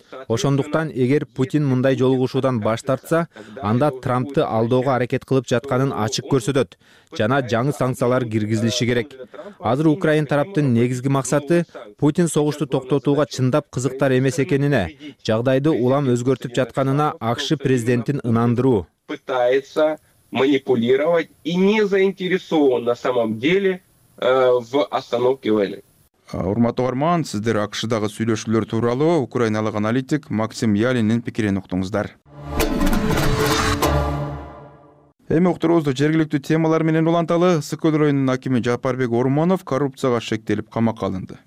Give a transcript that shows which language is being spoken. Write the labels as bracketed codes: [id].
[ky] Ошондуктан эгер Путин мындай жолугушуудан баш тартса, анда Трампты алдоого аракет кылып жатканын ачык көрсөтөт жана жаңы санкциялар киргизилиши керек. Азыр Украин тараптын негизги максаты Путин согушту токтотууга чындап кызыктар эмес экенине, жагдайды улам өзгөртүп жатканына АКШ президентин ынандыруу. [ru] Пытается манипулировать и не заинтересован на самом деле в остановке войны. [ky] Урматтуу угарман, сиздер АКШдагы сүйлөшүүлөр тууралуу украиналык аналитик Максим Ялиндин пикирин уктуңуздар. Эми уктуруубузду жергиликтүү темалар менен уланталы. Сыкыл районунун акими Жапарбек Орманов коррупцияга шектелип камакка алынды.